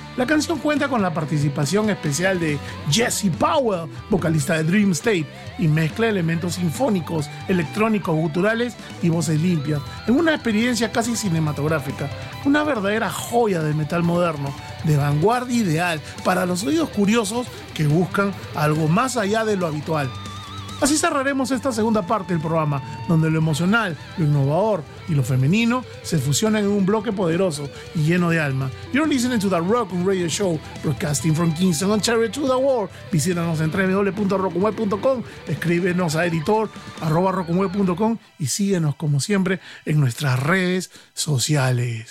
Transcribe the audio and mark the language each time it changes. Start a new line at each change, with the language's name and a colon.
Spanish: La canción cuenta con la participación especial de Jesse Powell, vocalista de Dream State, y mezcla elementos sinfónicos, electrónicos, guturales y voces limpias, en una experiencia casi cinematográfica, una verdadera joya del metal moderno, de vanguardia ideal para los oídos curiosos que buscan algo más allá de lo habitual. Así cerraremos esta segunda parte del programa, donde lo emocional, lo innovador y lo femenino se fusionan en un bloque poderoso y lleno de alma.
English: You're listening to the Rockun Radio Show, broadcasting from Kingston, Ontario to the world.
Spanish: Visítanos en www.rockunweb.com, escríbenos a editor@rockunweb.com y síguenos como siempre en nuestras redes sociales.